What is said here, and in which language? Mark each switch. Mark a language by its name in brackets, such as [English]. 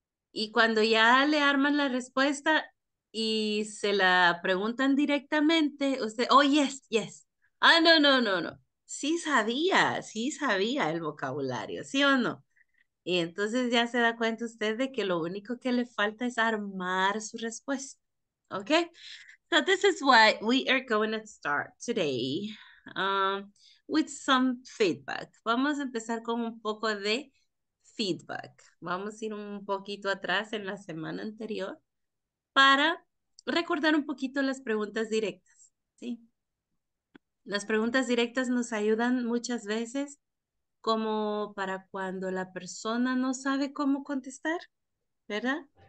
[Spanish] Y cuando ya le arman la respuesta y se la preguntan directamente, usted, [English] oh, yes. [Spanish] Ah, no, no, no, no. Sí sabía el vocabulario, ¿sí o no? Y entonces ya se da cuenta usted de que lo único que le falta es armar su respuesta. ¿Ok? [English] So this is why we are going to start today with some feedback. [Spanish] Vamos a empezar con un poco de feedback. Vamos a ir un poquito atrás en la semana anterior para recordar un poquito las preguntas directas, ¿sí? Las preguntas directas nos ayudan muchas veces como para cuando la persona no sabe cómo contestar, ¿verdad?